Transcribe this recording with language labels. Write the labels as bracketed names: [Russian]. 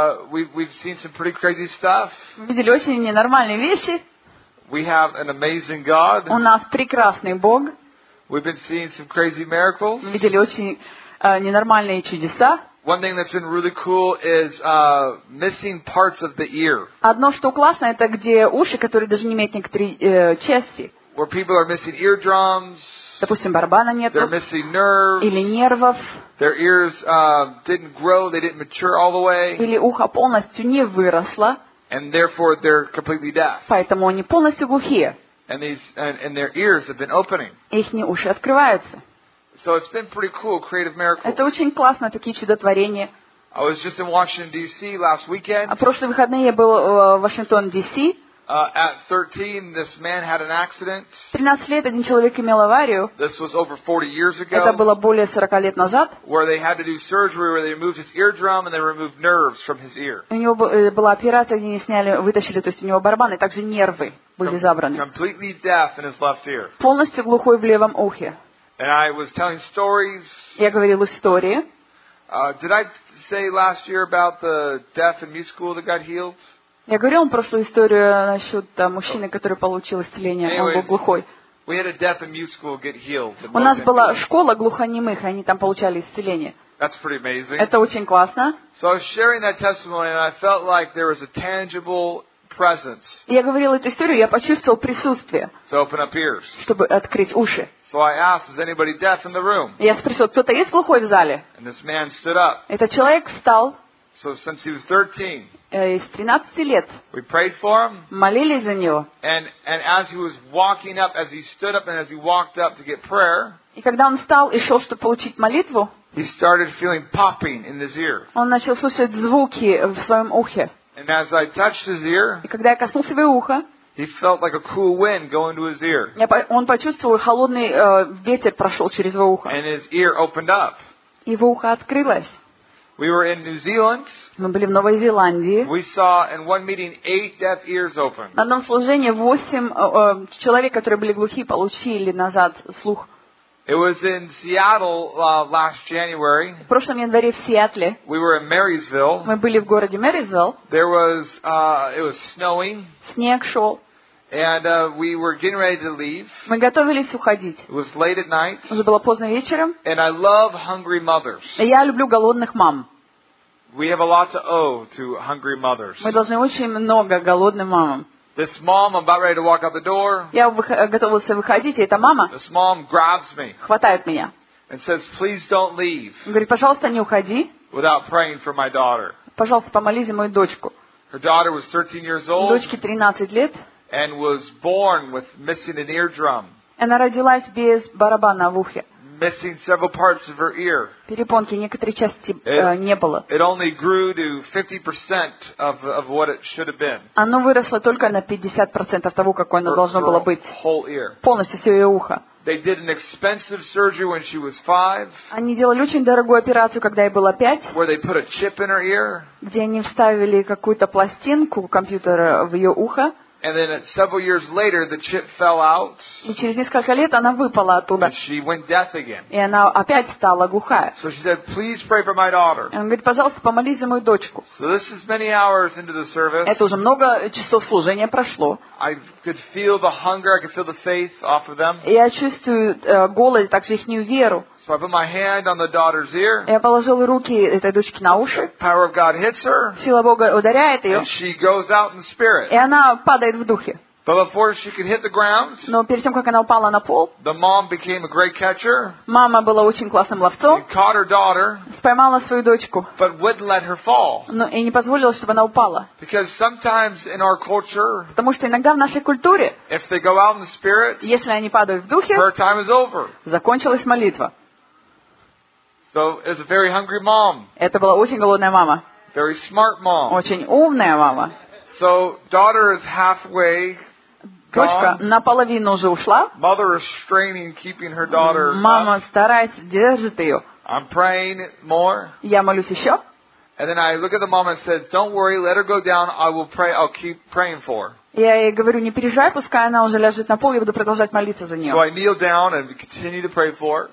[English] We've seen some pretty crazy stuff. [Russian] Видели очень ненормальные вещи. [English] We have an amazing God. [Russian] У нас прекрасный Бог. [English] We've been seeing some crazy miracles. [Russian] Мы видели очень ненормальные чудеса. [English] One thing that's been really cool is missing parts of the ear. [Russian] Одно что классно это где уши, которые даже не имеют некоторые части. [English] Where people are missing eardrums. [Russian] Допустим, барабана нет. [English] They're missing nerves. [Russian] Или нервов. [English] Their ears didn't grow, they didn't mature all the way. [Russian] Или ухо полностью не выросло. [English] And therefore, they're completely deaf. [Russian] Поэтому они полностью глухие. [English] And their ears have been opening. [Russian] Ихние уши открываются. [English] So it's been pretty cool, creative miracles. [Russian] Это очень классно, такие чудотворения. [English] I was just in Washington D.C. last weekend. [Russian] А прошлые выходные я был в Вашингтон D.C. [English] At 13, this man had an accident. [Russian] 13 лет один человек имел аварию. [English] This was over 40 years ago. [Russian] Это было более 40 лет назад. [English] Where they had to do surgery, where they removed his eardrum and they removed nerves from his ear. [Russian] У него была операция, где они сняли, вытащили, то есть у него барабан и также нервы были забраны. [English] Completely deaf in his left ear. [Russian] Полностью глухой в левом ухе. [English] And I was telling stories. [Russian] Я говорил истории. [English] Did I say last year about the deaf in music school that got healed? [Russian] Я говорил вам прошлую историю насчет мужчины, который получил исцеление, он был глухой. [English] We had a deaf and mute school get healed. [Russian] У нас была школа глухонемых, они там получали исцеление. [English] That's pretty amazing. [Russian] Это очень классно. [English] So I was sharing that testimony, and I felt like there was a tangible presence. [Russian] Я говорил эту историю, я почувствовал присутствие. [English] To open up ears. [Russian] Чтобы открыть уши. [English] So I asked, "Is anybody deaf in the room?" [Russian] Я спросил, кто-то есть глухой в зале? [English] And this man stood up. [Russian] Этот человек встал. [English] So since he was 13. [Russian] С 13 лет. [English] We prayed for him. [Russian] Молились за него. [English] And as he was walking up, as he stood up, and as he walked up to get prayer. [Russian] И когда он встал и шел, чтобы получить молитву. [English] He started feeling popping in his ear. [Russian] Он начал слышать звуки в своем ухе. [English] And as I touched his ear. [Russian] И когда я коснулся его уха. [English] He felt like a cool wind going to his ear. [Russian] Он почувствовал холодный ветер прошел через его ухо. [English] And his ear opened up. [Russian] Его ухо открылось. [English] We were in New Zealand. [Russian] Мы были в Новой Зеландии. [English] We saw in one meeting 8 deaf ears open. [Russian] На одном служении 8 человек, которые были глухи, получили назад слух. [English] It was in Seattle last January. [Russian] В прошлом январе в Сиэтле. [English] We were in Marysville. [Russian] Мы были в городе Marysville. [English] There was it was snowing. [Russian] Снег шел. [English] And we were getting ready to leave. [Russian] Мы готовились уходить. [English] It was late at night. [Russian] Уже было поздно вечером. [English] And I love hungry mothers. [Russian] Я люблю голодных мам. [English] We have a lot to owe to hungry mothers. [Russian] Мы должны очень много голодным мамам. [English] This mom, about ready to walk out the door. [Russian] Я готовился выходить, и эта мама. [English] This mom grabs me. [Russian] Хватает меня. [English] And says, "Please don't leave." [Russian] Говорит, пожалуйста, не уходи. [English] Without praying for my daughter. [Russian] Пожалуйста, помолись за мою дочку. [English] Her daughter was 13 years old. [Russian] Дочке 13 лет. [English] And was born with missing an eardrum. [Russian] Она родилась без барабана в ухе. [English] Missing several parts of her ear. [Russian] Перепонки некоторые части не было. [English] It only grew to 50% of what it should have been. [Russian] Оно выросло только на 50% того, какое оно должно было быть. [English] Whole ear. [Russian] Полностью все ее ухо. [English] They did an expensive surgery when she was 5. [Russian] Они делали очень дорогую операцию, когда ей было 5. [English] Where they put a chip in her ear. [Russian] Где они вставили какую-то пластинку компьютера в ее ухо. [English] And then several years later, the chip fell out. [Russian] И через несколько лет она выпала оттуда. [English] And she went deaf again. [Russian] И она опять стала глухая. [English] So she said, "Please pray for my daughter." [Russian] Она говорит, пожалуйста, помолись за мою дочку. [English] So this is many hours into the service. [Russian] Это уже много часов служения прошло. [English] I could feel the hunger. I could feel the faith off of them. [Russian] Я чувствую голод, также ихнюю веру. [English] So I put my hand on the daughter's ear. [Russian] Я положил руки этой дочке на уши. [English] Power of God hits her. [Russian] Сила Бога ударяет ее. [English] And she goes out in spirit. [Russian] И она падает в духе. [English] But before she could hit the ground. [Russian] Но перед тем, как она упала на пол. [English] The mom became a great catcher. [Russian] Мама была очень классным ловцом. [English] She caught her daughter. [Russian] Поймала свою дочку. [English] But wouldn't let her fall. [Russian] Но и не позволила, чтобы она упала. [English] Because sometimes in our culture. [Russian] Потому что иногда в нашей культуре. [English] If they go out in the spirit. [Russian] Если они падают в духе. [English] Her time is over. [Russian] Закончилась молитва. [English] So it was a very hungry mom. [Russian] Это была очень голодная мама. [English] Very smart mom. [Russian] Очень умная мама. [English] So daughter is halfway. [Russian] Дочка наполовину уже ушла. [English] Mother is straining, keeping her daughter. [Russian] Мама старается, держит ее. [English] I'm praying more. [Russian] Я молюсь еще. [English] And then I look at the mom and said, "Don't worry, let her go down. I will pray. I'll keep praying for her." [Russian] Я ей говорю, не переживай, пускай она уже ляжет на пол, я буду продолжать молиться за нее. [English] So I kneel down and continue to pray for her.